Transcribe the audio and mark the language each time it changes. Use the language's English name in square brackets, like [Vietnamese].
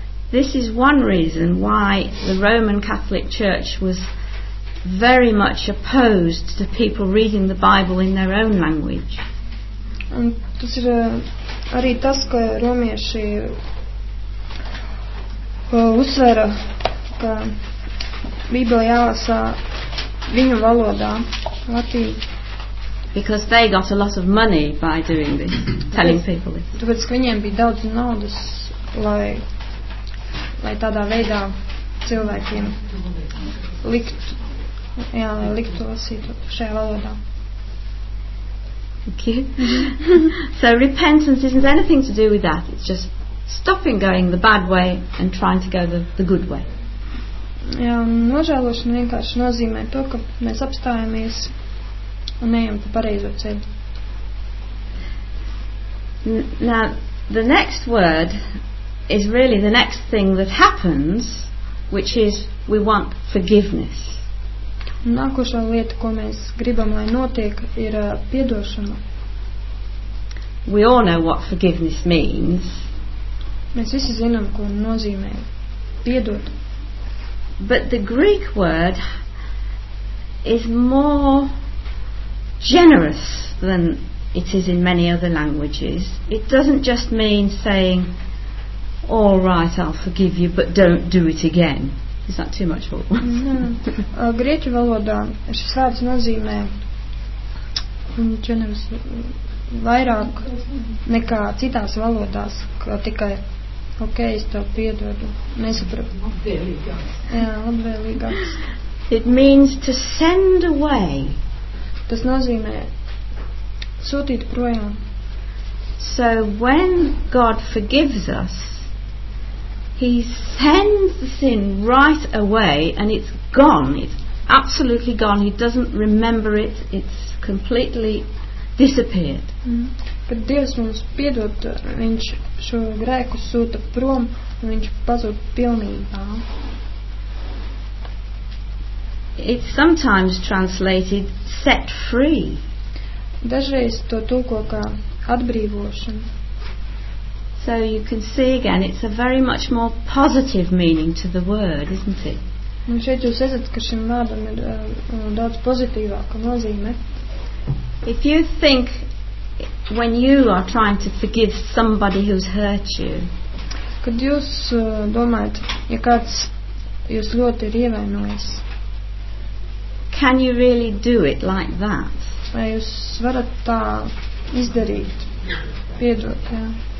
[English] This is one reason why the Roman Catholic Church was very much opposed to people reading the Bible in their own language. [Latvian] Un tas ir arī tas, ka romieši uzsvēra, ka Bībeli jālasā viņu valodā, latīni. [English] Because they got a lot of money by doing this, telling people this. [Latvian] Tāpēc, ka viņiem bija daudz naudas, lai tādā veidā cilvēkiem liktu lasīt šajā valodā. [English] Thank you. So repentance isn't anything to do with that. It's just stopping going the bad way and trying to go the good way. [Latvian] Jā, nožēlošana vienkārši nozīmē to, ka mēs apstājamies un ejam pa pareizo ceļu. [English] Now, the next word is really the next thing that happens, which is we want forgiveness. [Latvian] Nākošā lieta, ko mēs gribam, lai notiek, ir piedošana. [English] We all know what forgiveness means. [Latvian] Mēs visi zinām, ko nozīmē piedot. [English] But the Greek word is more generous than it is in many other languages. It doesn't just mean saying, all right, I'll forgive you, but don't do it again. Is that too much for one? [Latvian] Grieķu valodā šis vārds nozīmē generous, vairāk nekā citās valodās, ka tikai ok, es tev piedodu. Nesapratu. Labvēlīgāks. [English] It means to send away. [Latvian] Tas nozīmē sūtīt projām. [English] So when God forgives us, he sends the sin right away and it's gone. It's absolutely gone. He doesn't remember it. It's completely disappeared. [Latvian] Kad Dievs mums piedod, viņš šo grēku sūta prom, un viņš pazūd pilnībā. [English] It's sometimes translated set free. [Latvian] Dažreiz to tulko kā atbrīvošana. [English] So you can see again, it's a very much more positive meaning to the word, isn't it? [Latvian] Un šeit jūs esat, ka šim vārdam ir daudz pozitīvāka nozīme. [English] If you think when you are trying to forgive somebody who's hurt you, [Latvian] kad jūs domājat, ja kāds jūs ļoti ir ievainojis, [English] can you really do it like that? [Latvian] Vai jūs varat tā izdarīt, piedot, jā?